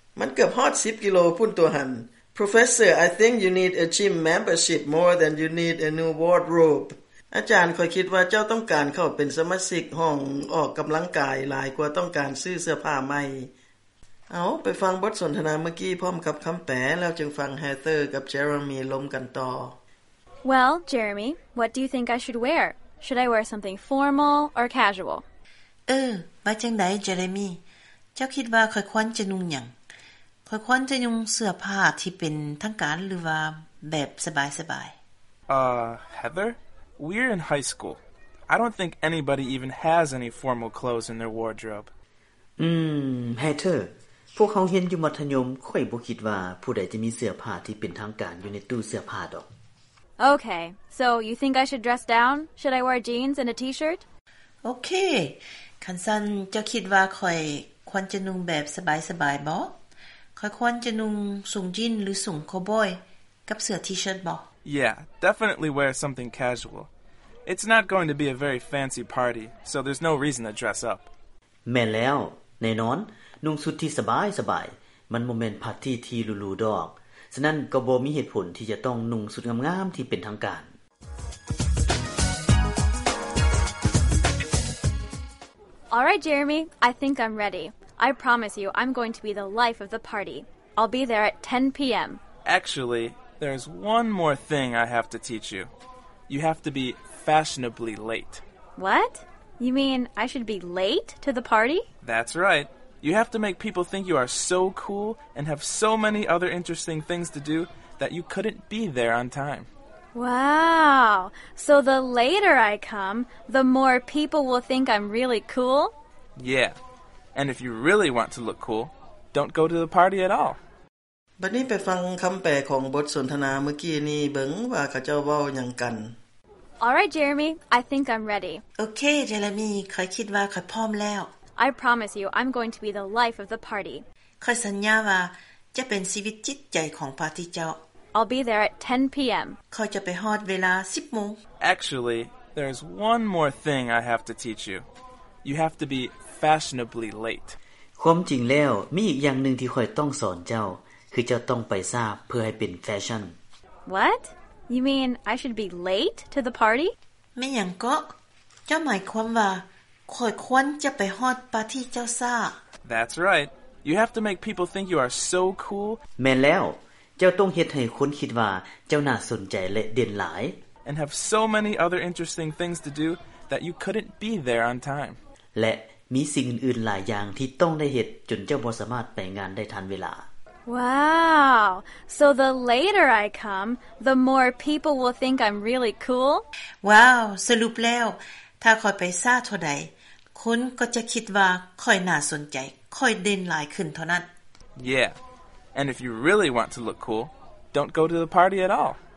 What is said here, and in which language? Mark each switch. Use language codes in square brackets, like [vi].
[tts] มันเกือบฮอด10กิโลพุ่นตัวหัน [en] Professor, I think you need a gym membership more than you need a new wardrobe. [tts] อาจารย์ค่อยคิดว่าเจ้าต้องการเข้าเป็นสมาชิกห้องออกกําลังกายหลายกว่าต้องการซื้อเสื้อผ้าใหม่เอาไปฟังบทสนทนาเมื่อกี้พร้อมกับคําแปลแล้วจึงฟังแฮตเตอร์กับเจอร์มีล้มกันต่อ [en] Well, Jeremy, what do you think I should wear? Should I wear something formal or casual? [tts] ว่าจังได๋เจเรมี่เจ้าคิดว่าค่อยควรจะนุ่งหยังข้อยควรจะนุ่งเสื้อผ้าที่เป็นทางการหรือว่าแบบสบาย [en] ๆHeather, we're in high school. I don't think anybody even has any formal clothes in their wardrobe. [tts] Heather, พวกเขาเห็นอยู่มัธยมข้อยบ่คิดว่าผู้ใดจะมีเสื้อผ้าที่เป็นทางการอยู่ในตู้เสื้อผ้าดอก [en] Okay, so you think I should dress down? Should I wear jeans and a t-shirt? [tts] Okay, คันซันจะคิดว่าข้อยควรจะนุ่งแบบสบายๆบ่ข้อยควรจะนุ่งสูงจีนหรือสูงโคบอยกับเสื้อทีเชิร์ตบ่ [en] Yeah, definitely wear something casual. It's not going to be a very fancy party, so there's no reason to dress up. [tts] แม่แล้วแน่นอนนุ่งสุดที่สบายสบายมันบ่แม่นปาร์ตี้ที่หรูๆดอกฉะนั้นก็บ่มีเหตุผลที่จะต้องนุ่งสุดงามๆที่เป็นทางการ [en] All right, Jeremy, I think I'm ready. I promise you, I'm going to be the life of the party. I'll be there at 10 p.m. Actually, there's one more thing I have to teach you. You have to be fashionably late. What? You mean I should be late to the party? That's right. You have to make people think you are so cool and have so many other interesting things to do that you couldn't be there on time. Wow! So the later I come, the more people will think I'm really cool? Yeah. And if you really want to look cool, don't go to the party at all. [tts] บัดนี้ไปฟังคําแปลของบทสนทนาเมื่อกี้นี้เบิ่งว่าเขาเจ้าเว้าหยังกัน [en] All right, Jeremy. I think I'm ready. [tts] Okay, Jeremy. ข้อยคิดว่าข้อยพร้อมแล้ว [en] I promise you, I'm going to be the life of the party. [tts] ข้อยสัญญาว่าจะเป็นชีวิตจิตใจของปาร์ตี้เจ้า [en] I'll be there at 10 p.m. [tts] ข้อยจะไปฮอดเวลา10โมง [en] Actually, there's one more thing I have to teach you. You have to be fashionably late. [tts] ความจริงแล้วมีอีกอย่างหนึ่งที่ข้อยต้องสอนเจ้าคือเจ้าต้องไปซาเพื่อให้เป็นแฟชั่น [en] What? You mean I should be late to the party? [tts] ไม่อย่างก็เจ้าหมายความว่าข้อยควรจะไปฮอดปาร์ตี้เจ้าซา [en] That's right. You have to make people think you are so cool. [tts] แม่นแล้วเจ้าต้องเฮ็ดให้คนคิดว่าเจ้าน่าสนใจและเด่นหลาย [en] And have so many other interesting things to do that you couldn't be there on time. [tts] และมีสิ่งอื่นๆหลายอย่างที่ต้องได้เฮ็ดจนเจ้าบ่สามารถไปงานได้ทันเวลา [en] Wow. So the later I come, the more people will think I'm really cool. Wow. [tts] สรุปแล้วถ้าข้อยไปซ่าเท่าใดคนก็จะคิดว่าข้อยน่าสนใจข้อยเด่นหลายขึ้นเท่านั้น [en] Yeah. And if you really want to look cool, don't go to the party at all.